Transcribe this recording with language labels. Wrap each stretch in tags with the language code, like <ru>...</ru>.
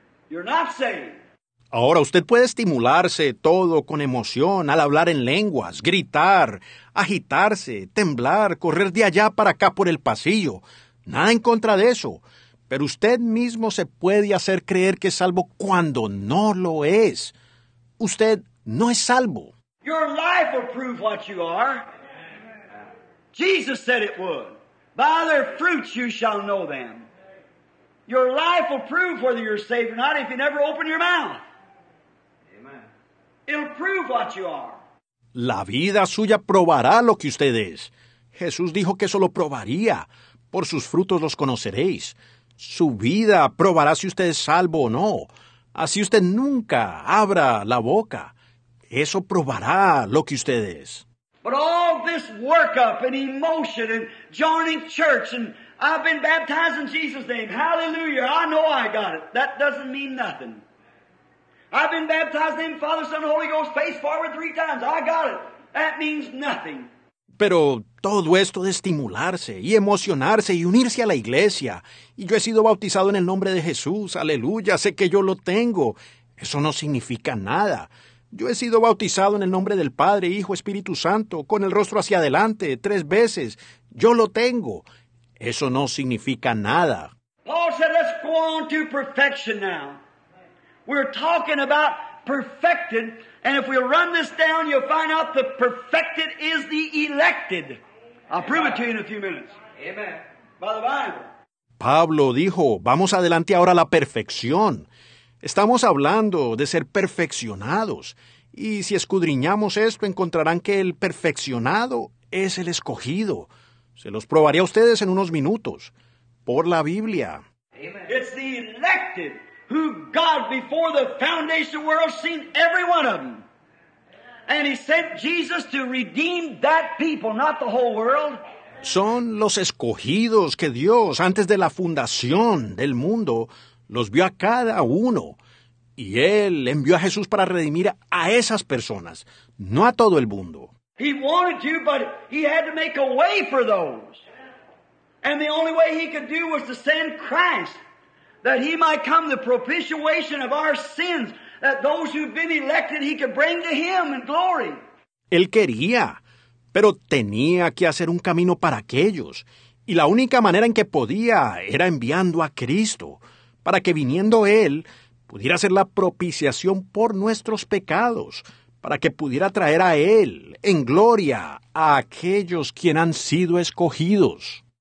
<en>You're not saved.</en> <es>Ahora, usted puede estimularse todo con emoción al hablar en lenguas, gritar, agitarse, temblar, correr de allá para acá por el pasillo. Nada en contra de eso. Pero usted mismo se puede hacer creer que es salvo cuando no lo es. Usted no es salvo.</es> <en>Your life will prove what you are. Jesus said it would. By their fruits you shall know them. Your life will prove whether you're saved or not if you never open your mouth. It'll prove what you are.</en> <es>La vida suya probará lo que usted es. Jesús dijo que eso lo probaría. Por sus frutos los conoceréis. Su vida probará si usted es salvo o no. Así usted nunca abra la boca. Eso probará lo que usted es.</es> <en>But all this workup and emotion and joining church and I've been baptized in Jesus' name. Hallelujah. I know I got it. That doesn't mean nothing. I've been baptized in Father, Son, and Holy Ghost, face forward 3 times. I got it. That means nothing.</en> <es>Pero todo esto de estimularse y emocionarse y unirse a la iglesia, y yo he sido bautizado en el nombre de Jesús, aleluya, sé que yo lo tengo, eso no significa nada. Yo he sido bautizado en el nombre del Padre, Hijo, Espíritu Santo, con el rostro hacia adelante 3 veces, yo lo tengo, eso no significa nada.</es> <en>Paul said, let's go on to perfection now. We're talking about perfected, and if we'll run this down, you'll find out the perfected is the elected. I'll prove it to you in a few minutes. Amen. By the Bible.</en> <es>Pablo dijo, vamos adelante ahora a la perfección. Estamos hablando de ser perfeccionados, y si escudriñamos esto, encontrarán que el perfeccionado es el escogido. Se los probaré a ustedes en unos minutos, por la Biblia. Amen.</es> <en>It's the elected. Who God before the foundation of the world seen every one of them. And he sent Jesus to redeem that people, not the whole world.</en> <es>Son los escogidos que Dios, antes de la fundación del mundo, los vio a cada uno. Y Él envió a Jesús para redimir a esas personas, no a todo el mundo.</es> <en>He wanted to, but he had to make a way for those. And the only way he could do was to send Christ. That he might come the propitiation of our sins, that those who've been elected he could bring to him in glory.</en> <es>Él quería, pero tenía que hacer un camino para aquellos. Y la única manera en que podía era enviando a Cristo, para que viniendo Él pudiera hacer la propiciación por nuestros pecados, para que pudiera traer a Él en gloria a aquellos quienes han sido escogidos.</es>